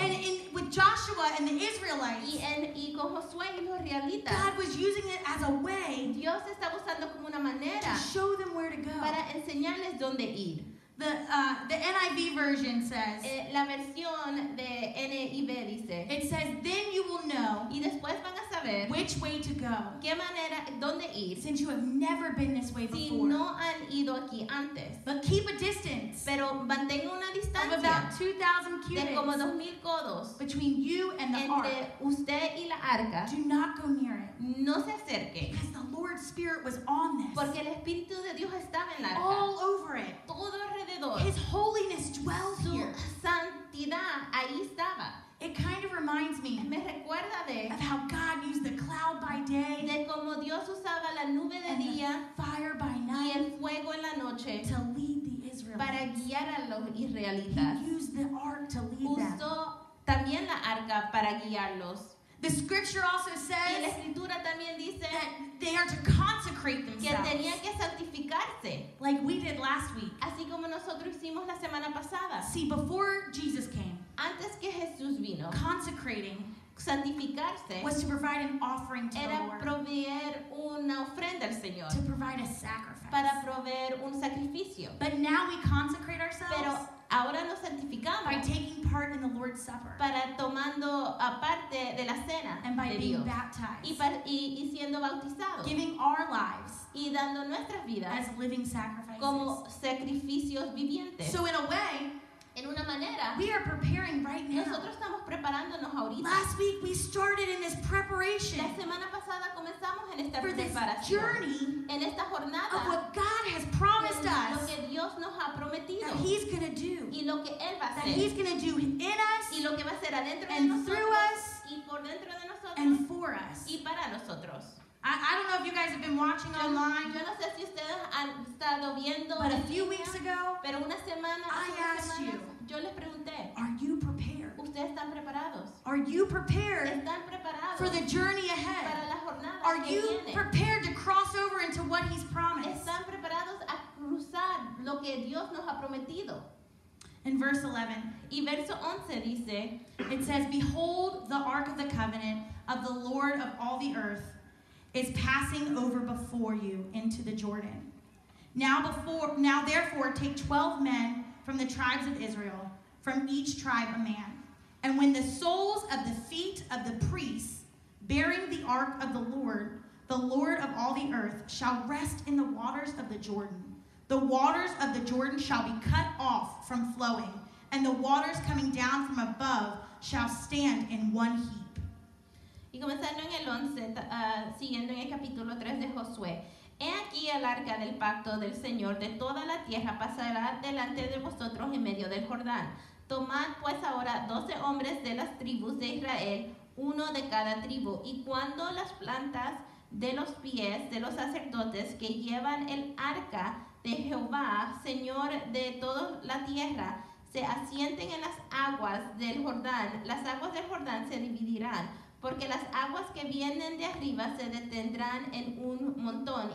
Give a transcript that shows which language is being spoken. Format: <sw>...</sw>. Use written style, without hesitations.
<en>And in with Joshua and the Israelites.</en> <es>Y con Josué y los israelitas.</es> <en>God was using it as a way.</en> <es>Dios estaba usando como una manera.</es> <en>To show them where to go.</en> <es>Para enseñarles dónde ir.</es> <en>The NIV version says.</en> <es>La versión de NIV dice.</es> <en>It says, then you will know.</en> <es>Y después van a saber.</es> <en>Which way to go.</en> <es>Qué manera, dónde ir.</es> <en>Since you have never been this way</en> <es>si</es> <en>before.</en> <es>Si no han ido aquí antes.</es> <en>But keep a distance.</en> <es>Pero mantenga una distancia.</es> <en>Of about 2,000 cubits.</en> <es>De como 2,000 codos.</es> <en>Between you and the</en> <es>entre</es> <en>ark.</en> <es>Entre usted y la arca.</es> <en>Do not go near it.</en> <es>No se acerque.</es> <en>Because the Lord's Spirit was on this.</en> <es>Porque el Espíritu de Dios estaba en la arca.</es> <en>All over it.</en> <es>Todo alrededor.</es> <en>His holiness dwells</en> <es>su</es> <en>here.</en> <es>Santidad ahí estaba.</es> <en>It kind of reminds me,</en> <es>me recuerda de</es> <en>of how God used the cloud by day</en> <es>de como Dios usaba la nube de</es> <en>and</en> <es>día</es> <en>the fire by night</en> <es>y el fuego en la noche</es> <en>to lead the Israelites.</en> <es>Para guiar a los israelitas.</es> <en>He used the ark to lead</en> <es>usó</es> <en>them.</en> <es>Usó también la arca para guiarlos.</es> <en>The scripture also says</en> <es>y la escritura también dice</es> <en>that they are to consecrate themselves.</en> <es>Que tenía que santificarse.</es> <en>Like we did last week.</en> <es>Así como nosotros hicimos la semana pasada.</es> <en>See, before Jesus came.</en> <es>Antes que Jesús vino.</es> <en>Consecrating.</en> <es>Santificarse.</es> <en>Was to provide an offering to the Lord.</en> <es>Era proveer una ofrenda al Señor.</es> <en>To provide a sacrifice.</en> <es>Para proveer un sacrificio.</es> <en>But now we consecrate ourselves.</en> <es>Pero ahora nos santificamos.</es> <en>By taking part in the Lord's Supper.</en> <es>Para tomando parte de la cena.</es> <en>And by</en> <es>de</es> <en>being</en> <es>Dios.</es> <en>Baptized.</en> <es>Y siendo bautizados.</es> <en>Giving our lives.</en> <es>Y dando nuestras vidas.</es> <en>As living sacrifices.</en> <es>Como sacrificios vivientes.</es> <en>So in a way.</en> <es>En una manera.</es> <en>We are preparing right now.</en> <es>Nosotros estamos preparándonos ahorita.</es> <en>Last week we started in this preparation.</en> <es>La semana pasada comenzamos en esta</es> <en>for</en> <es>preparación.</es> <en>This journey.</en> <es>En esta jornada.</es> <en>Of what God has promised</en> <es>lo</es> <en>us.</en> <es>Lo que Dios nos ha prometido.</es> <en>That he's going to do.</en> <es>Y lo que él va a hacer.</es> <en>That he's going to do in us.</en> <es>Y lo que va a hacer adentro</es> <en>and</en> <es>de nosotros.</es> <en>Through us.</en> <es>Y por dentro de nosotros.</es> <en>And for us.</en> <es>Y para nosotros.</es> <en>I don't know if you guys have been watching online.</en> <es>Yo no sé si ustedes han estado viendo.</es> <en>But a few weeks ago,</en> <es>pero una semana,</es> <en>I asked you.</en> <es>Yo les pregunté.</es> <en>Are you prepared?</en> <es>¿Ustedes están preparados?</es> <en>Are you prepared?</en> <es>¿Están preparados?</es> <en>For the journey ahead.</en> <es>Para la jornada que</es> <en>are you</en> <es>viene?</es> <en>Prepared to cross over into what he's promised?</en> <es>¿Están preparados a cruzar lo que Dios nos ha prometido?</es> <en>In verse 11,</en> <es>y verso 11 dice,</es> <en>it says, "Behold, the ark of the covenant of the Lord of all the earth." is passing over before you into the Jordan. Now therefore take 12 men from the tribes of Israel, from each tribe a man. And when the soles of the feet of the priests bearing the ark of the Lord of all the earth, shall rest in the waters of the Jordan, the waters of the Jordan shall be cut off from flowing, and the waters coming down from above shall stand in one heap.</en> <es>Y comenzando en el 11, siguiendo en el capítulo 3 de Josué. He aquí el arca del pacto del Señor de toda la tierra pasará delante de vosotros en medio del Jordán. Tomad pues ahora 12 hombres de las tribus de Israel, uno de cada tribu, y cuando las plantas de los pies de los sacerdotes que llevan el arca de Jehová, Señor de toda la tierra, se asienten en las aguas del Jordán, las aguas del Jordán se dividirán, porque las aguas que vienen de arriba se detendrán en un montón.</es>